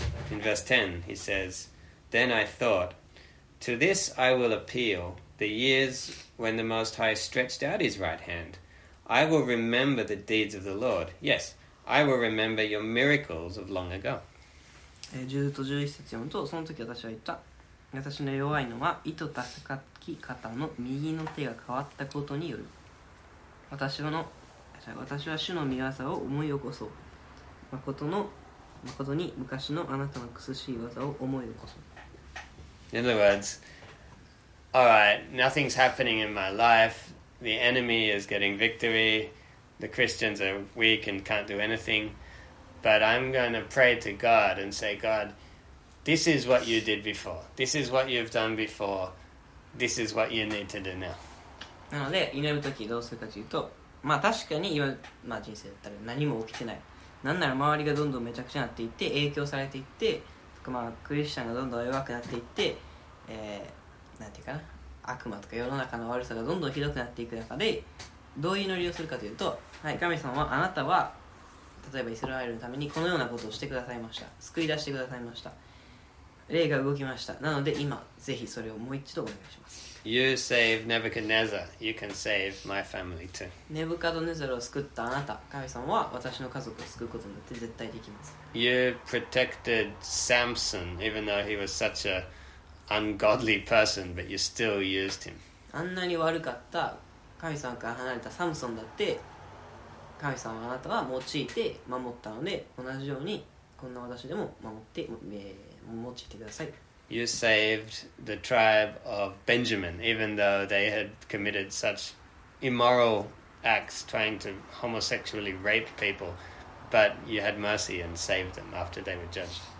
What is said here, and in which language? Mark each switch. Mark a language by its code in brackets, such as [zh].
[en] In verse 10 he says, Then I thought, To this I will appeal the years when the Most High stretched out his right hand. I will remember the deeds of the Lord. Yes, I will remember your miracles of long ago. [ja] 10と11節読むと、その時私は言った、私の弱いのは糸高き方の右の手が変わったことによる。私は主の御業を思い起こそう。誠に昔のあなたの苦しい技を思い起こそう。 [en] In other words, alright, nothing's happening in my life, the enemy is getting victory, the Christians are weak and can't do anything, but I'm going to pray to God and say, God, this is what you did before, this is what you've done before, this is what you need to do now. [ja] なので祈る時どうするかというと、まあ確かに今、まあ、人生だったら何も起きてない、なんなら周りがどんどんめちゃくちゃなっていって影響されていって、まあクリスチャンがどんどん弱くなっていって、なんていうかな、悪魔とか世の中の悪さがどんどんひどくなっていく中で、どういう祈りをするかというと、はい、神様はあなたは例えばイスラエルのためにこのようなことをしてくださいました、救い出してくださいました、霊が動きました、なので今ぜひそれをもう一度お願いします。 [en] You save Nebuchadnezzar, you can save my family too. [ja] Nebuchadnezzar を救ったあなた、神様は私の家族を救うことによって絶対できます。 [en] You protected Samson, even though he was such an ungodly person, but you still used him. [ja] あんなに悪かった神様から離れたサムソンだって、神様はあなたは用いて守ったので、同じようにこんな私でも守って、用いてください。 [en] You saved the tribe of Benjamin, even though they had committed such immoral acts, trying to homosexually rape people, but you had mercy and saved them after they were judged.